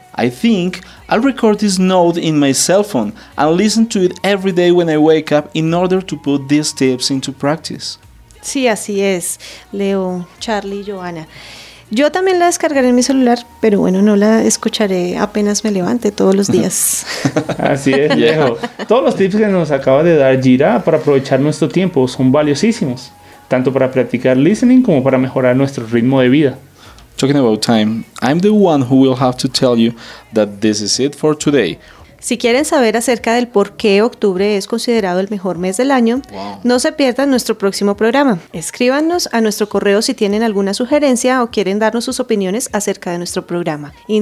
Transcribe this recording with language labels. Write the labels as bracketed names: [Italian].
[English] I think I'll record this note in my cell phone and listen to it every day when I wake up in order to put these tips into practice. [Spanish] Sí, así es, Leo, Charlie, Joana. Yo también la descargaré en mi celular, pero bueno, no la escucharé apenas me levante todos los días. Así es, viejo. Todos los tips que nos acaba de dar Gira para aprovechar nuestro tiempo son valiosísimos, tanto para practicar listening como para mejorar nuestro ritmo de vida. [English] Talking about time, I'm the one who will have to tell you that this is it for today. [Spanish] Si quieren saber acerca del por qué octubre es considerado el mejor mes del año, No se pierdan nuestro próximo programa. Escríbanos a nuestro correo si tienen alguna sugerencia o quieren darnos sus opiniones acerca de nuestro programa.